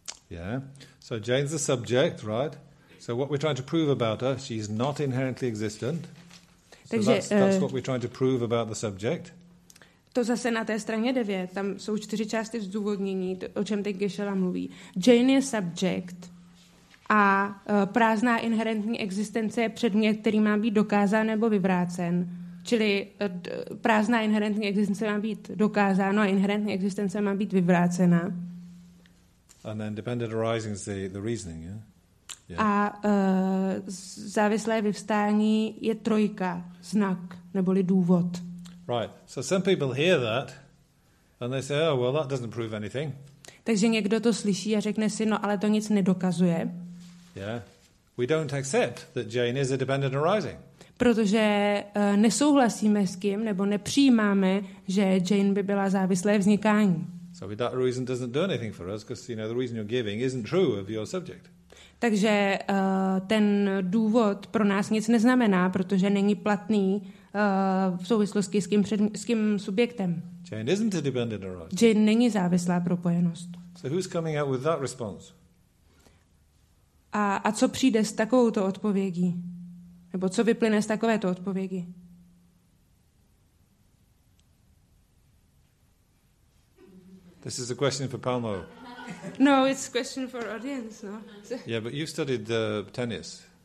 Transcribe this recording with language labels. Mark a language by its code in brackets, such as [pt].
[en] Yeah, so Jane's the subject, right? So what we're trying to prove about her, she's not inherently existent. [cs] Takže, [en] so that's what we're trying to prove about the subject. [cs] To zase na té straně 9, tam jsou 4 části zdůvodnění, o čem teď Geshe-la mluví. Jane je subject a prázdná inherentní existence je předmět, který má být dokázán nebo vyvrácen. Čili prázdná inherentní existence má být dokázána a inherentní existence má být vyvrácena. [en] And then dependent arising is the reasoning, yeah? [cs] A závislé vyvstání je trojka, znak neboli důvod. [en] Right. So some people hear that and they say, oh, well, that doesn't prove anything. [cs] Takže někdo to slyší a řekne si, no, ale to nic nedokazuje. [en] Yeah. We don't accept that Jane is a dependent arising. [cs] Protože nesouhlasíme s tím, nebo nepřijímáme, že Jane by byla závislé vznikání. [en] So that reason doesn't do anything for us, because, you know, the reason you're giving isn't true of your subject. [cs] Takže ten důvod pro nás nic neznamená, protože není platný v souvislosti s kým subjektem. [en] Jane isn't a dependent arising. [cs] Jane není závislá propojenost. [en] So who's coming out with that response? [cs] A co přijde s takovouto odpovědí? Nebo co vyplyne z takovéto odpovědi? [en] This is a question for Palmo. No, it's a question for audience, no? Yeah, but you've studied the tennis.